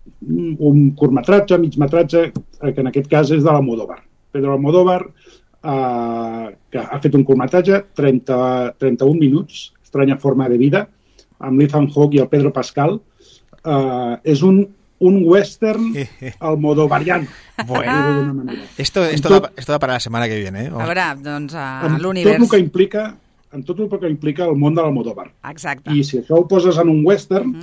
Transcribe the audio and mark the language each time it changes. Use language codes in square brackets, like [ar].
[ca] Un curtmetratge, migmetratge, que en aquest cas és de l'Almodóvar. Pedro Almodóvar, que ha fet un curtmetratge, 31 minuts, Estranya forma de vida, amb l'Ethan Hawke i el Pedro Pascal. És un western almodovariano. [es] Bueno, esto da para la semana que viene. [ca] A veure, doncs, l'univers... Amb tot el que implica el món de l'Almodóvar. Exacte. I si això ho poses en un western...